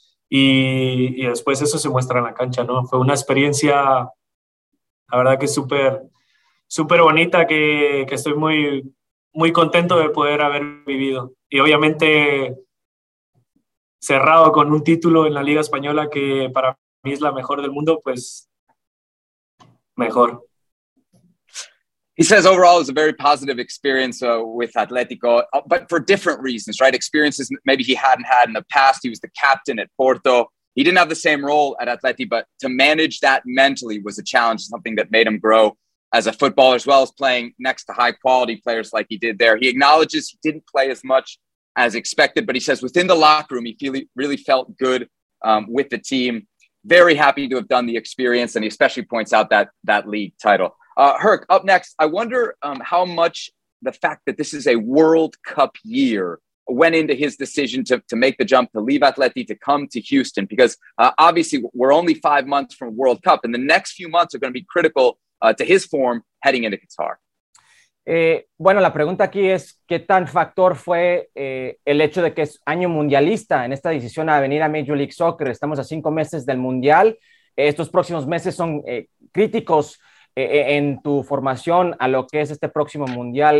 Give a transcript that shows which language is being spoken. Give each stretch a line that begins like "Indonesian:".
Spanish: Y después eso se muestra en la cancha, ¿no? Fue una experiencia, la verdad que súper, súper bonita, que estoy muy, muy contento de poder haber vivido. Y obviamente cerrado con un título en la Liga Española, que para mí es la mejor del mundo, pues mejor.
English: He says overall it's a very positive experience with Atletico, but for different reasons, right? Experiences maybe he hadn't had in the past. He was the captain at Porto. He didn't have the same role at Atleti, but to manage that mentally was a challenge, something that made him grow as a footballer, as well as playing next to high-quality players like he did there. He acknowledges he didn't play as much as expected, but he says within the locker room, he really felt good with the team. Very happy to have done the experience, and he especially points out that league title. Herc, up next, I wonder how much the fact that this is a World Cup year went into his decision to make the jump, to leave Atleti, to come to Houston, because obviously we're only 5 months from World Cup, and the next few months are going to be critical to his form heading into Qatar.
Spanish: Bueno, la pregunta aquí es qué tan factor fue el hecho de que es año mundialista en esta decisión a venir a Major League Soccer. Estamos a 5 meses del Mundial. Estos próximos meses son críticos en tu formación a lo que es este próximo Mundial.